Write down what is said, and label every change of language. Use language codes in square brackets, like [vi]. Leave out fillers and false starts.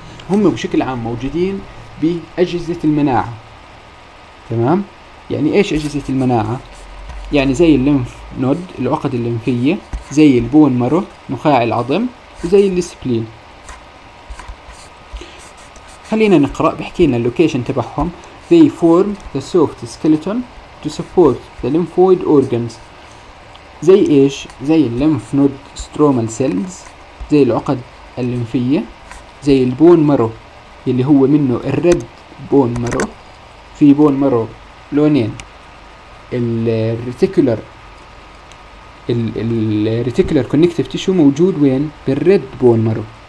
[ar] هم بشكل عام موجودين بأجهزة المناعة. تمام. يعني ايش أجهزة المناعة؟ يعني زي الليمف نود، العقد الليمفية، زي البون مارو، نخاع العظم، وزي السبلين. خلينا نقرأ. بحكي لنا اللوكيشن تبعهم: [en] they form the soft skeleton to support the lymphoid organs. [ar] زي ايش؟ زي الليمف نود سترومال سيلز، زي العقد الليمفية، زي البون مارو اللي هو منه الريد بون مارو. في بون مارو لونين، الريتيكولر الريتيكولر كونكتيف تيشو موجود وين؟ بالريد بون مارو.